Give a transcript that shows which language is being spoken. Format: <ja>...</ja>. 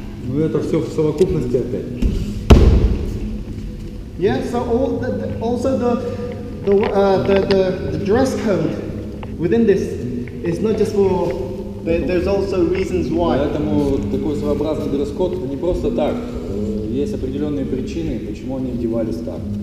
<ru>Ну это все в совокупности опять.</ru> <en>Yeah. So all the, also the dress code within this is not just for. There's also reasons why.</en> <ru>Поэтому такой своеобразный дресс-код не просто так. Есть определенные причины, почему они одевались так.</ru>